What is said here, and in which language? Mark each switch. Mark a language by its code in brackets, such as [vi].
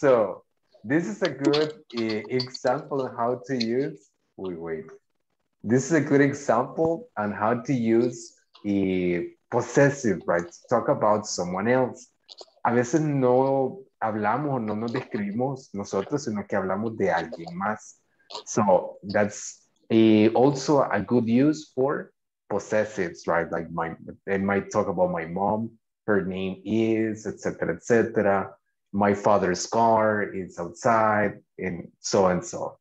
[en] So this is a good example of how to use. This is a good example on how to use y possessive, right? Talk about someone else. [es] A veces no hablamos, no nos describimos nosotros, sino que hablamos de alguien más. [en] So that's also a good use for possessives, right? Like they might talk about my mom, her name is, etc., etc. My father's car is outside, and so and so.